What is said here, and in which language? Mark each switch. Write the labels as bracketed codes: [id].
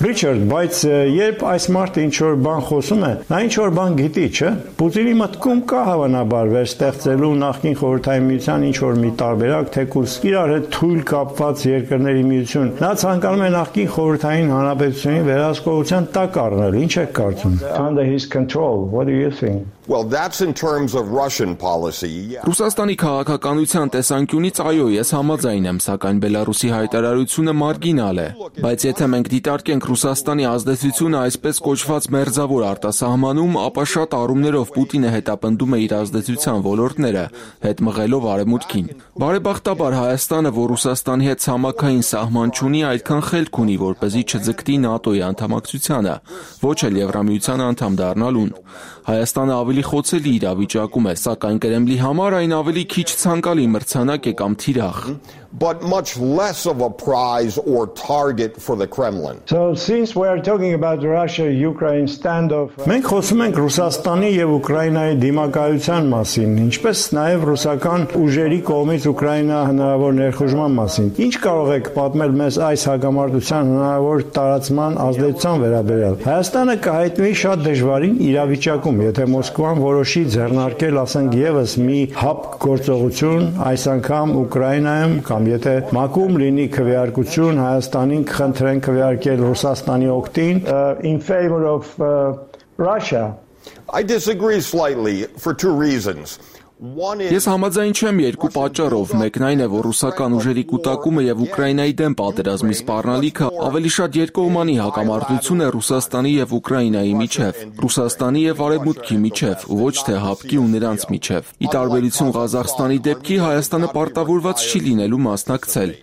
[hy] Richard, բայց երբ այս մարդը ինչ-որ բան խոսում է, նա ինչ-որ բան գիտի, չէ՞։ Պուտինի մտքում կա հավանաբար վերստեղծելու նախկին խորհրդային միության ինչ-որ մի տարբերակ, թե կուս իրար հետ թույլ կապված երկրների միություն։ Նա ցանկանում է նախկին խորհրդային հանրապետությունի վերահսկողության տակ առնել, ինչ եք կարծում։ [en] Under his control, what do you think? Well, that's in terms of Russian policy. [hy] Ռուսաստանի քաղաքականության տեսանկյունից այո, ես համաձայն եմ, սակայն Բելարուսի հայտարարությունը մարգինալ է, բայց եթե մենք դիտարկենք Ռուսաստանի ազդեցությունը այսպես կոչված մերձավոր արտասահմանում, ապա շատ առումներով Պուտինը հետապնդում է իր ազդեցության ոլորտները, հետ մղելով Արևմուտքին։ Բարեբախտաբար Հայաստանը, որ Ռուսաստանի հետ ցամաքային սահման չունի, այդքան խելք ունի, որպեսզի չձգտի ՆԱՏՕ-ի անդամակցությանը, ոչ էլ Եվրամիության անդամ դառնալուն։ Հայաստանը ավելի խոցելի իրավիճակում է, սակայն Կրեմլի համար այն ավելի քիչ ցանկալի մրցանակ է կամ թիրախ։ [en] But much less of a prize or target for the Kremlin. So since we are talking about Russia-Ukraine standoff, [hy] մենք խոսում ենք Ռուսաստանի եւ Ուկրաինայի դիմակայության մասին, ինչպես նաեւ ռուսական ուժերի կողմից Ուկրաինա հնարավոր ներխուժման մասին։ Ինչ կարող եք պատմել մեզ այս հակամարտության հնարավոր տարածման ազդեցության վերաբերյալ։ Հայաստանը կհայտնվի շատ դժվարին իրավիճակում, եթե Մոսկվան որոշի ձեռնարկել, ասենք եւս մի հապ գործողություն այս անգամ Ուկրաինայում, կամ եթե մակում լինի քվեարկություն Հայաստանին կխնդրեն քվեարկել Ռուսաստանի օկտին [en] in favor of Russia. I disagree slightly for two reasons. [hy] Ես համաձայն չեմ երկու պատճառով։ Մեկն այն է, որ ռուսական ուժերի կուտակումը եւ Ուկրաինայի դեմ պատերազմի սպառնալիքը ավելի շատ երկկողմանի հակամարտություն է Ռուսաստանի եւ Ուկրաինայի միջև, Ռուսաստանի եւ Արևմուտքի միջև, ոչ թե Հապկի ու նրանց միջև։ Ի տարբերություն Ղազախստանի դեպքի, Հայաստանը պարտավորված չի լինելու մասնակցել,